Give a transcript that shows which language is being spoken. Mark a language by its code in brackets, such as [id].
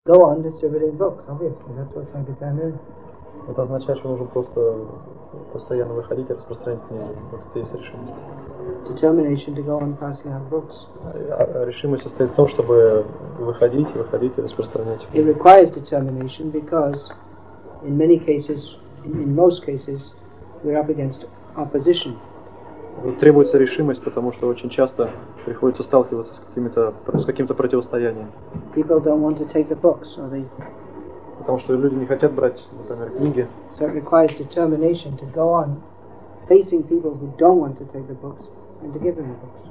[en] Go on distributing books, obviously, that's what Sankirtan is. [ru] Это означает, что нужно просто постоянно выходить и распространять книги. Вот это и есть решимость. [en] Determination to go on passing out books. [ru] Решимость состоит в том, чтобы выходить и распространять книги. [en] It requires determination because in many cases, in most cases, we're up against opposition. [ru] Требуется решимость, потому что очень часто приходится сталкиваться с каким-то противостоянием. [en] People don't want to take the books, or they... [ru] Потому что люди не хотят брать, например, книги. [en] So it requires determination to go on facing people who don't want to take the books and to give them the books.